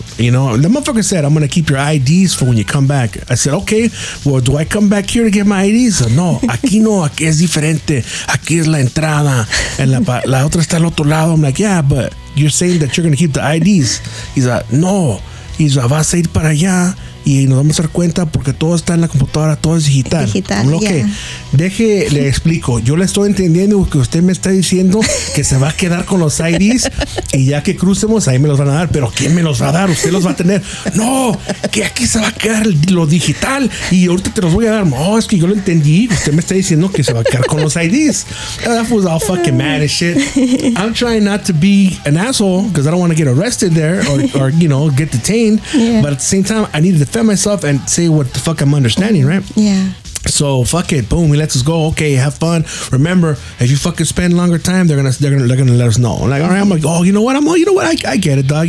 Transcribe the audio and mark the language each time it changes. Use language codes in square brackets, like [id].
[en] You know, the motherfucker said, I'm gonna keep your IDs for when you come back. I said, okay, well, do I come back here to get my IDs? [es] No, aquí no, aquí es diferente. Aquí es la entrada. And la otra está al otro lado. [en] I'm like, yeah, but you're saying that you're gonna keep the IDs. He's like, no. He's like, [es] vas a ir para allá. Y nos vamos a dar cuenta porque todo está en la computadora, todo es digital. [en] Digital, okay. Yeah. [es] Deje, le explico. Yo le estoy entendiendo que usted me está diciendo que se va a quedar con los IDs y ya que crucemos, ahí me los van a dar. Pero ¿quién me los va a dar? ¿Usted los va a tener? No, que aquí se va a quedar lo digital y ahorita te los voy a dar. No, es que yo lo entendí. Usted me está diciendo que se va a quedar con los IDs. [en] That was all fucking mad and shit. I'm trying not to be an asshole because I don't want to get arrested there or, you know, get detained. Yeah. But at the same time, I need to defend myself and say what the fuck I'm understanding, right? Yeah. So fuck it, boom, he lets us go. Okay, have fun. Remember, if you fucking spend longer time, they're gonna let us know. I'm like, all right. I'm like, oh, you know what? I'm all, you know what? I get it, dog.